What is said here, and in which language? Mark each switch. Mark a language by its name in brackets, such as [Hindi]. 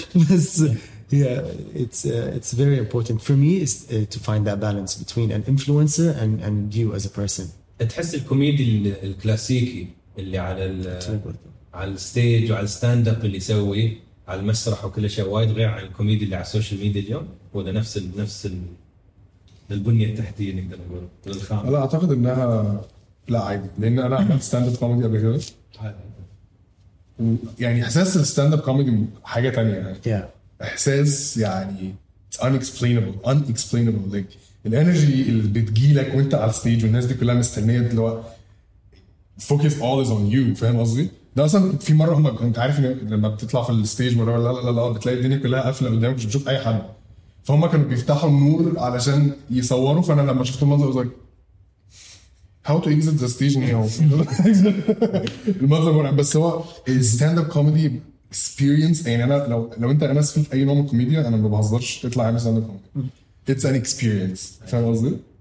[Arabic] بس [English] yeah, it's very important for me is to find that balance between an influencer and you as a person. [Arabic] تحس الكوميدي الكلاسيكي اللي على ال على الستيج وعلى الستاند اب اللي يسوي على المسرح وكل شيء وايد غير عن الكوميدي اللي على السوشيال ميديا اليوم، هو ده نفس ال البنية التحتية نقدر نقوله. لا أعتقد إنها لا عادي، لأن أنا عملت ستاند اب كوميدي قبل كده. يعني إحساس الستاند اب كوميدي حاجة تانية. [English] Yeah. [Arabic] احساس يعني [English] it's unexplainable like [Arabic] الانرجي اللي بتجيلك وانت على الستيج والناس دي كلها مستنيه دلوقتي [English] focus all is on you، [Arabic] فاهم قصدي؟ ده اصلا في مره هم انت عارف لما بتطلع في الستيج مره لا لا لا لا بتلاقي الدنيا كلها قافله قدامك مش بتشوف اي حد، فهم كانوا بيفتحوا النور علشان يصوروا، فانا لما شفت المنظر قلت [English] how to exit the stage now. [Arabic] المنظر بس هو [English] stand up comedy experience. [Arabic] يعني أنا لو أنت أنا سفلت أي نوع من الكوميديا أنا ما بهزرش، اطلع أنا ستاند اب كوميدي [English] it's an experience، [Arabic] فاهم قصدي؟